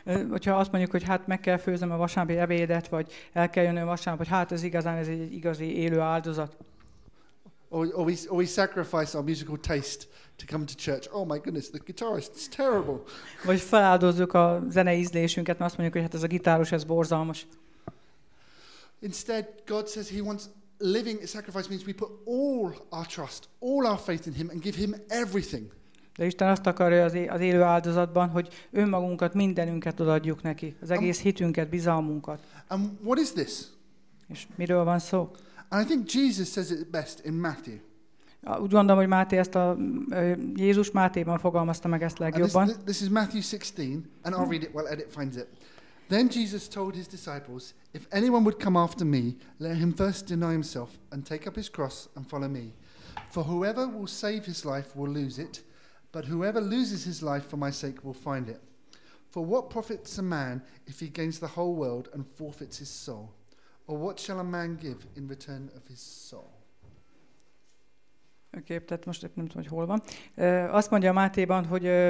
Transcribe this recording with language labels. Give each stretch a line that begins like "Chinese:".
Hungarian: Hogyha azt mondjuk, hogy hát meg kell főznem a vasárnapi ebédet, vagy el kell jönni a vasárnap, hogy hát ez igazán ez egy igazi élő áldozat.
English: Or we sacrifice our musical taste to come to church. Oh my goodness, the guitarist is terrible.
Hungarian: Vagy feláldozzuk a zene ízlésünket, mert azt mondjuk, hogy hát ez a gitáros, ez borzalmas.
English: Instead, God says he wants living sacrifice means we put all our trust, all our faith in him and give him everything.
Hungarian: De Isten azt akarja az élő áldozatban, hogy önmagunkat, mindenünket odaadjuk neki, az egész hitünket, bizalmunkat.
English: And what is this?
Hungarian: És miről van szó?
English: And I think Jesus says it best in Matthew.
Hungarian: Úgy gondolom, hogy Máté ezt a Jézus Mátéban fogalmazta meg ezt legjobban.
English: This is Matthew 16, and I'll read it while Edit finds it. Then Jesus told his disciples, if anyone would come after me, let him first deny himself and take up his cross and follow me. For whoever will save his life will lose it, but whoever loses his life for my sake will find it. For what profits a man if he gains the whole world and forfeits his soul? Or what shall a man give in return of his soul?
Hungarian: Oké, okay, tehát most nem tudom, hogy hol van. Azt mondja a Mátéban, hogy